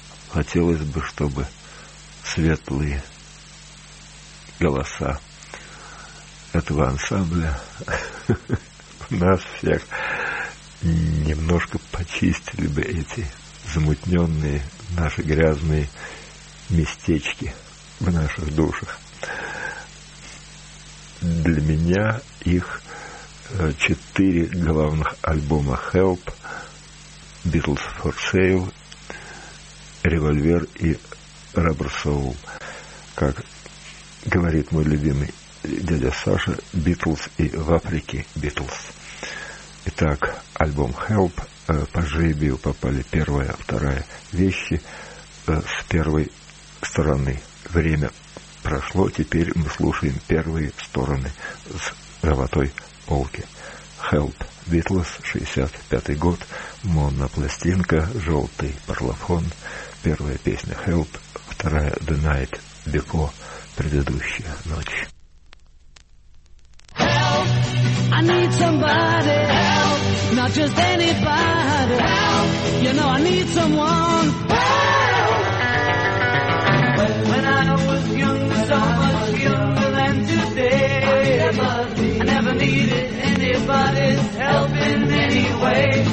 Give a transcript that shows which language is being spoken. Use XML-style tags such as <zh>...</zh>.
<ru>Хотелось бы, чтобы светлые голоса этого ансамбля нас всех немножко почистили бы, эти замутненные наши грязные местечки в наших душах. Для меня их 4 главных альбома «Help», «Beatles for Sale», «Revolver» и «Rubber Soul». Как говорит мой любимый дядя Саша, «Beatles и в Африке Beatles». Итак, альбом «Help». По жребию попали первая, вторая вещи с первой стороны. Время прошло, теперь мы слушаем первые стороны с золотой полки. «Help» Beatles, 65-й год, монопластинка, желтый парлофон. Первая песня «Help», вторая «The Night Before», предыдущая ночь.</ru> <en>I need somebody, help, not just anybody, help, you know I need someone, help. When I was younger, so much younger than today, I never needed anybody's help in any way.</en>